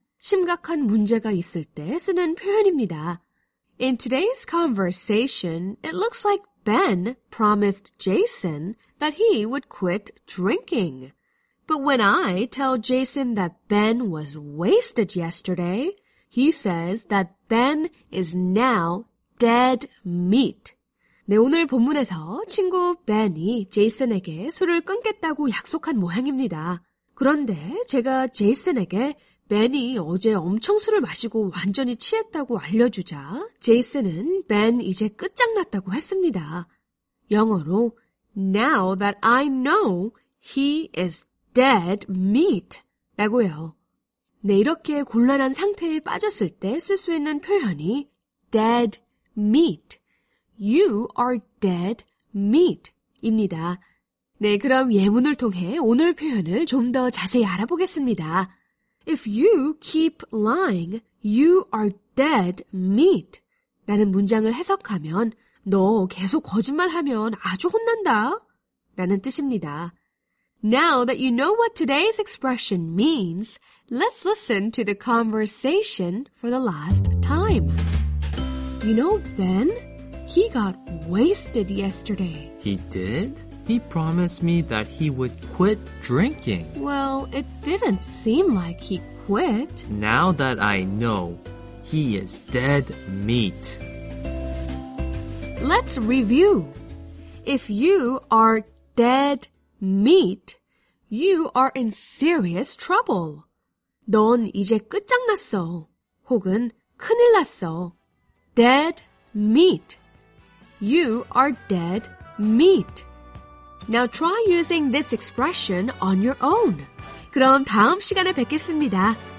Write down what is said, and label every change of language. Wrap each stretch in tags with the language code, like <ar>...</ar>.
<ko>심각한 문제가 있을 때 쓰는 표현입니다.</ko> <en>In today's conversation, it looks like Ben promised Jason that he would quit drinking. But when I tell Jason that Ben was wasted yesterday, he says that Ben is now dead meat.</en> <ko>네, 오늘 본문에서 친구 Ben이 Jason에게 술을 끊겠다고 약속한 모양입니다. 그런데 제가 Jason에게 벤이 어제 엄청 술을 마시고 완전히 취했다고 알려주자 제이슨은 벤 이제 끝장났다고 했습니다. 영어로</ko> <en>Now that I know, he is dead meat</en> <ko>라고요. 네, 이렇게 곤란한 상태에 빠졌을 때 쓸 수 있는 표현이 dead meat.</ko> <en>You are dead meat</en> <ko>입니다. 네, 그럼 예문을 통해 오늘 표현을 좀 더 자세히 알아보겠습니다.</ko> <en>If you keep lying, you are dead meat.</en> <ko>라는 문장을 해석하면 너 계속 거짓말하면 아주 혼난다. 라는 뜻입니다.</ko> <en>Now that you know what today's expression means, let's listen to the conversation for the last time. You know, Ben, he got wasted yesterday. He did? He promised me that he would quit drinking. Well, it didn't seem like he quit. Now that I know, he is dead meat. Let's review. If you are dead meat, you are in serious trouble.</en> <ko>넌 이제 끝장났어. 혹은 큰일 났어.</ko> <en>Dead meat. You are dead meat. Now try using this expression on your own.</en> <ko>그럼 다음 시간에 뵙겠습니다.</ko>